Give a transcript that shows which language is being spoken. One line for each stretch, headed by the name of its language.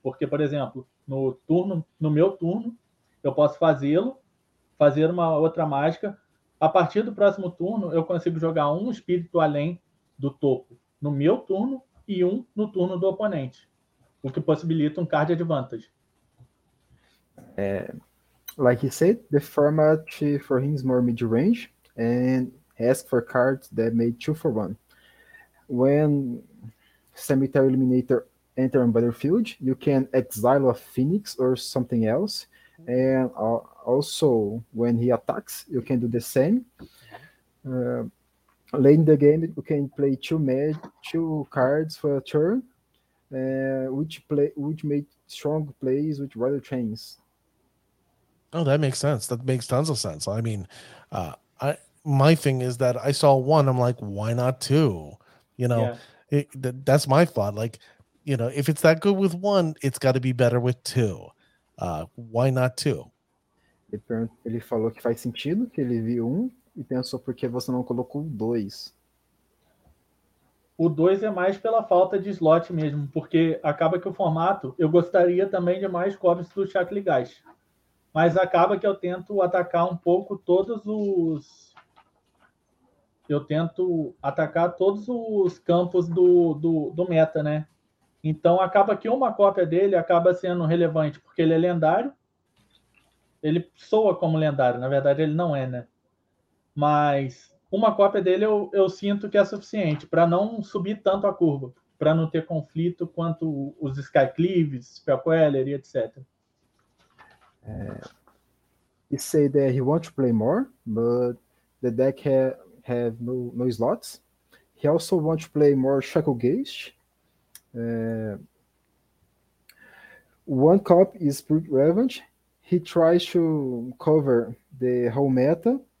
Portuguese: Porque, por exemplo, no meu turno, eu posso fazer uma outra mágica. A partir do próximo turno, eu consigo jogar um espírito além do topo no meu turno e um no turno do oponente, o que possibilita um card advantage.
English: Like you said, the format for him is more mid-range and ask for cards that made 2-1. When Cemetery Illuminator enter on battlefield, you can exile a Phoenix or something else. And also, when he attacks, you can do the same. Late in the game, you can play 2 cards for a turn, which make strong plays with Rattle Chains. Oh, that makes sense. That makes tons of sense. I mean, my thing is that I saw 1, I'm like, why not 2? You know, that's my thought. Like, you know, if it's that good with 1, it's got to be better with 2. Why not 2?
Portuguese: Ele falou que faz sentido, que ele viu 1 e pensou por que você não colocou 2. O 2 é mais pela falta de slot mesmo, porque acaba que o formato, eu gostaria também de mais cobres do Shacklegeist. Mas acaba que eu tento atacar um pouco todos os... Eu tento atacar todos os campos do meta, né? Então, acaba que uma cópia dele acaba sendo relevante, porque ele é lendário. Ele soa como lendário. Na verdade, ele não é, né? Mas uma cópia dele eu sinto que é suficiente para não subir tanto a curva, para não ter conflito quanto os Skycleaves, Spellqueller e etc.
English: He said that he wants to play more, but the deck have no slots. He also wants to play more Shacklegeist. One cop is pretty relevant. He tries to cover the whole meta.